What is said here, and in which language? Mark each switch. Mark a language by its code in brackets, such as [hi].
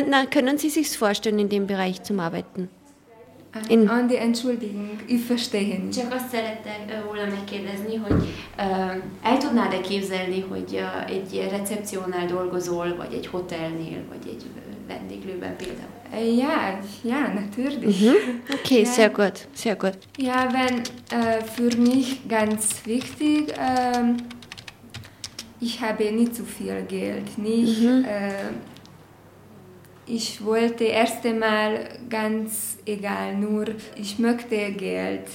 [de] Können Sie sich vorstellen, in dem Bereich zu arbeiten? Andi, entschuldigen, ich verstehe nicht. [hu] Csak azt szeretek róla megkérdezni, hogy el tudnád képzelni, hogy egy recepciónál dolgozol, vagy egy hotelnél, vagy egy vendéglőben például? [de] Ja, natürlich. Okay, ja. Sehr gut. Ja, wenn für mich ganz wichtig... ich habe nicht zu viel Geld. Nicht, ich wollte erst einmal ganz egal, nur ich möchte Geld.